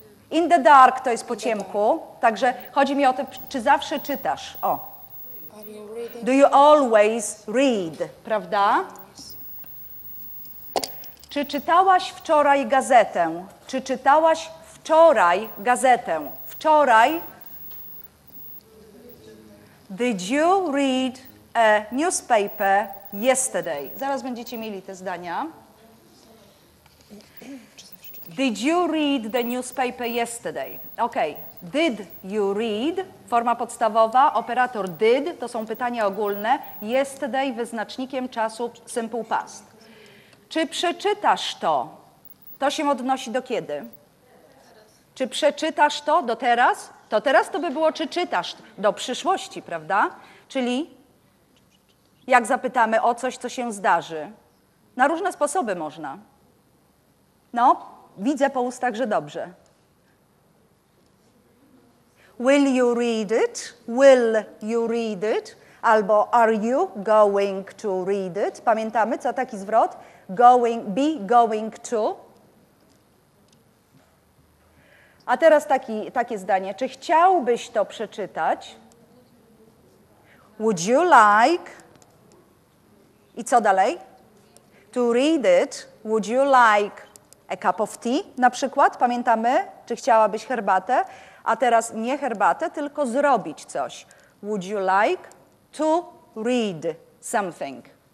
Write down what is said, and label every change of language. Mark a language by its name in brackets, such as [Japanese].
[English] In the dark [Polish] to jest po ciemku. Także chodzi mi o to, czy zawsze czytasz? O. [English] Do you always read, prawda? [Polish] Czy czytałaś wczoraj gazetę? Czy czytałaś wczoraj gazetę? Wczoraj. [English] Did you read a newspaper yesterday? [Polish] Zaraz będziecie mieli te zdania. [English] Did you read the newspaper yesterday? OK. Did you read? [Polish] Forma podstawowa. Operator did. To są pytania ogólne. Yesterday wyznacznikiem czasu simple past. Czy przeczytasz to? To się odnosi do kiedy? Czy przeczytasz to do teraz? To teraz to by było, czy czytasz do przyszłości, prawda? Czyli jak zapytamy o coś, co się zdarzy. Na różne sposoby można. No, widzę po ustach, że dobrze. [English] Will you read it? Will you read it? Albo are you going to read it? [Polish] Pamiętamy, co taki zwrot? [English] Going, be going to. [Polish] A teraz takie zdanie. Czy chciałbyś to przeczytać? [English] Would you like? [Polish] I co dalej? [English] To read it, would you like a cup of tea? [Polish] Na przykład, pamiętamy, czy chciałabyś herbatę? A teraz nie herbatę, tylko zrobić coś. [English] Would you like to read something?